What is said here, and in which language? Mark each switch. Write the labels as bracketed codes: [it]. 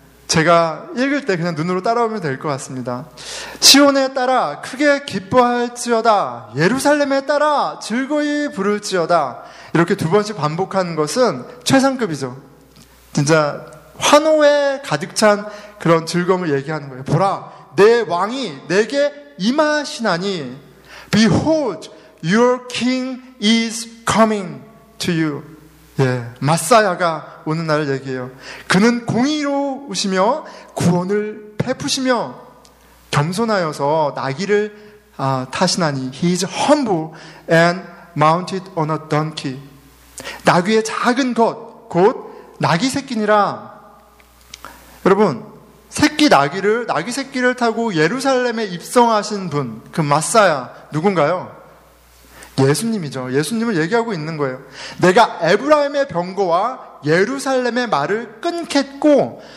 [ko] 제가 읽을 때 그냥 눈으로 따라오면 될 것 같습니다. 시온에 따라 크게 기뻐할지어다. 예루살렘에 따라 즐거이 부를지어다. 이렇게 두 번씩 반복하는 것은 최상급이죠. 진짜 환호에 가득 찬 그런 즐거움을 얘기하는 거예요. 보라, 내 왕이 내게 임하시나니. [en] Behold, your king is coming to you. [ko] 예, 마사야가 오는 날을 얘기해요. 그는 공의로 오시며 구원을 베푸시며 겸손하여서 나귀를 타시나니. [en] He is humble and mounted on a donkey. [ko] 나귀의 작은 것, 곧 나귀 새끼니라. 여러분, 새끼 나귀를, 나귀 새끼를 타고 예루살렘에 입성하신 분, 그 마사야 누군가요? 예수님이죠. 예수님을 얘기하고 있는 거예요. 내가 에브라임의 병거와 예루살렘의 말을 끊겠고.